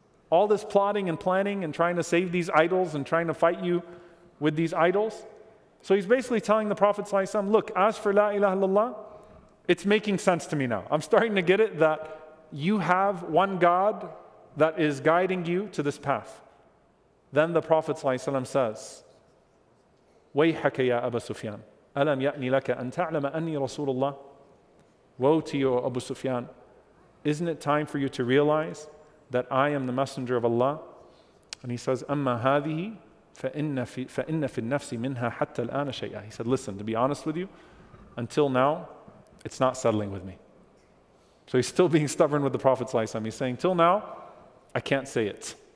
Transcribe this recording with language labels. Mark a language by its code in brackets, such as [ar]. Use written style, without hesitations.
[en] All this plotting and planning and trying to save these idols and trying to fight you with these idols. So he's basically telling the Prophet ﷺ, look, as for La ilaha illallah, it's making sense to me now. I'm starting to get it that you have one God that is guiding you to this path. [ar] Then the Prophet ﷺ says, وَيْحَكَ يَا أَبَا سُفْيَانَ أَلَمْ يَأْنِ لَكَ أَن تَعْلَمَ أَنِّي رَسُولُ اللَّهِ [en] Woe to you, Abu Sufyan. Isn't it time for you to realize that I am the Messenger of Allah? And he says, [ar] أَمَّا هَذِهِ فَإِنَّ فِي النَّفْسِ مِنْهَا حَتَّى الْآنَ شَيْئًا [en] He said, listen, to be honest with you, until now, it's not settling with me. So he's still being stubborn with the Prophet ﷺ. He's saying, till now, I can't say it.